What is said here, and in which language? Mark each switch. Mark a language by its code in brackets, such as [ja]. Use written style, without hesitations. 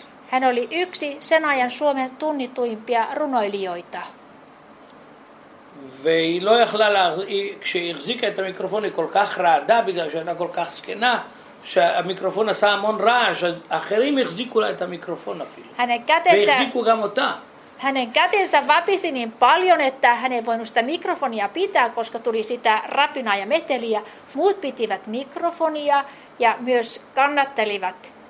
[fi] Hän oli yksi sen ajan Suomen tunnituimpia runoilijoita. [he] והיא לא יכלה כשהחזיקה את המיקרופון היא כל כך רעדה בגלל שהייתה כל כך זקנה שהמיקרופון עשה המון רעש אחרים החזיקו לה את המיקרופון אפילו והחזיקו גם אותה [fi] hänen kätensä vapisi niin paljon että hän ei voinut sitä mikrofonia pitää koska tuli sitä rapinaa ja meteliä muut pitivät mikrofonia ja myös kannattelivat